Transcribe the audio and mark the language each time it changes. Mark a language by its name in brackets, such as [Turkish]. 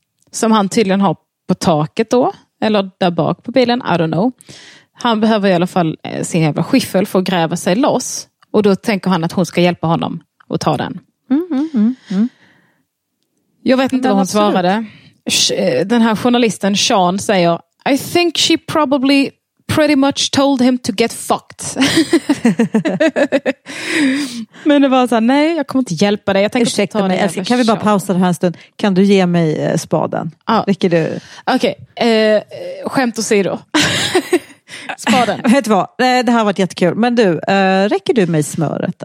[Swedish] Som han tydligen har på taket då. Eller där bak på bilen. [English] I don't know. [Swedish] Han behöver i alla fall sin jävla skiffel för att gräva sig loss. Och då tänker han att hon ska hjälpa honom att ta den. Jag vet inte vad hon svarade. Den här journalisten Sean säger: [English] "I think she probably pretty much told him to get fucked." [Swedish] Men det var så här, nej, jag kommer inte hjälpa dig. Jag tänker ursäkta mig, älskar, kan vi bara pausa det här en stund? Kan du ge mig spaden? Ah. Vilket du... Okej, skämt åsido. Spaden. Vet du vad? Det här har varit jättekul. Men du, räcker du mig smöret?